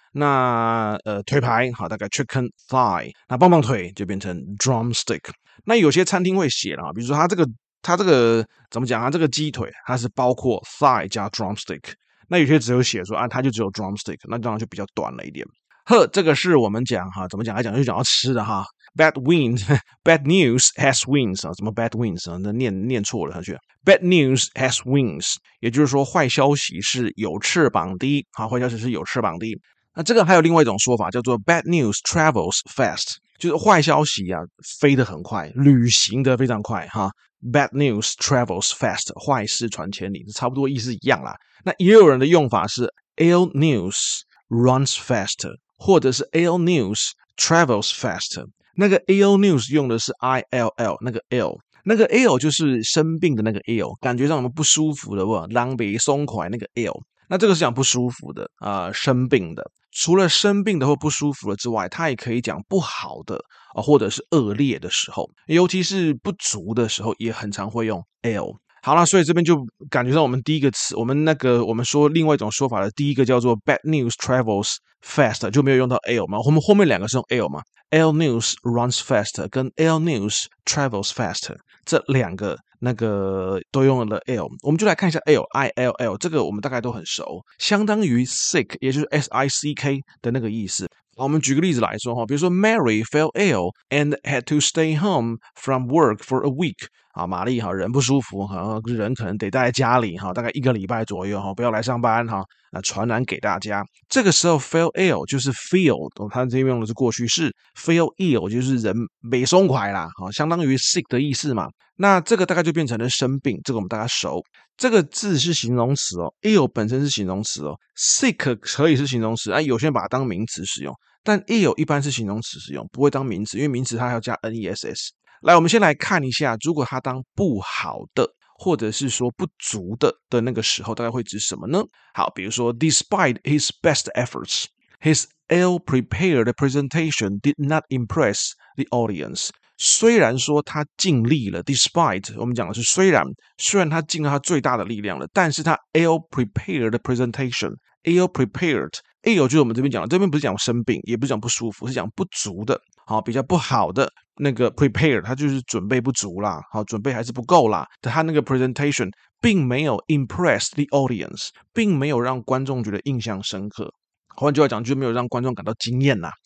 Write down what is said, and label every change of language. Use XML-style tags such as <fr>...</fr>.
<zh>那腿排好，大概 chicken thigh。那棒棒腿就变成 drumstick。那有些餐厅会写啦，比如说它这个怎么讲啊，这个鸡腿它是包括 thigh 加 drumstick。那有些只有写说啊它就只有 drumstick， 那当然就比较短了一点。呵，这个是我们讲哈，怎么讲来讲就讲到吃的哈。</zh> <en>Bad wind, bad news has wings 啊，</en> <zh>怎么</zh> <en>bad wings 啊？</en> <zh>那念错了，他去。</zh> <en>Bad news has wings，</en> <zh>也就是说坏消息是有翅膀的。好，坏消息是有翅膀的。那这个还有另外一种说法，叫做</zh> <en>bad news travels fast，</en> <zh>就是坏消息啊飞得很快，旅行得非常快哈。</zh> <en>Bad news travels fast，</en> <zh>坏事传千里，差不多意思一样啦。那也有人的用法是</zh> <en>ill news runs faster，</en> <zh>或者是</zh> <en>ill news travels faster。</en> <zh>那个 ill news 用的是 ill， 那个 ill， 那个 ill 就是生病的那个 ill， 感觉让我们不舒服的，不，狼狈松快那个 ill。那这个是讲不舒服的啊、生病的。除了生病的或不舒服的之外，它也可以讲不好的啊、或者是恶劣的时候，尤其是不足的时候，也很常会用 ill。好啦，所以这边就感觉上我们第一个词，我们说另外一种说法的第一个叫做</zh> <en>bad news travels fast，</en> <zh>就没有用到 ill 嘛，我们后面两个是用 ill 嘛。</zh> <en>L news runs faster</en> <zh>跟</zh> <en>L news travels faster</en> <zh>这两个那个都用了 L， 我们就来看一下 L ill 这个我们大概都很熟，相当于 sick， 也就是 sick 的那个意思。好，我们举个例子来说，比如说</zh> <en>Mary fell ill and had to stay home from work for a week。</en> <zh>好，玛丽人不舒服，人可能得待在家里大概一个礼拜左右，不要来上班，传染给大家。这个时候</zh> <en>fell ill</en> <zh>就是 feel， 他这边用的是过去式， fell ill 就是人没松快啦，相当于 sick 的意思嘛。那这个大概就变成了生病，这个我们大家熟。这个字是形容词哦， ill 本身是形容词哦， sick 可以是形容词，啊，有些人把它当名词使用，但 ill 一般是形容词使用，不会当名词，因为名词它要加 ness。来，我们先来看一下，如果它当不好的或者是说不足的那个时候，大概会指什么呢？好，比如说</zh> <en>despite his best efforts his ill prepared presentation did not impress the audience。</en> <zh>虽然说他尽力了 ，despite 我们讲的是虽然他尽了他最大的力量了，但是他</zh> <en>ill prepared presentation，</en> <zh>ill prepared， ill 就是我们这边讲的，这边不是讲生病，也不是讲不舒服，是讲不足的，好，比较不好的那个 prepared， 他就是准备不足啦，好，准备还是不够啦，他那个 presentation 并没有</zh> <en>impress the audience，</en> <zh>并没有让观众觉得印象深刻，换句话讲，就没有让观众感到惊艳啦。</zh>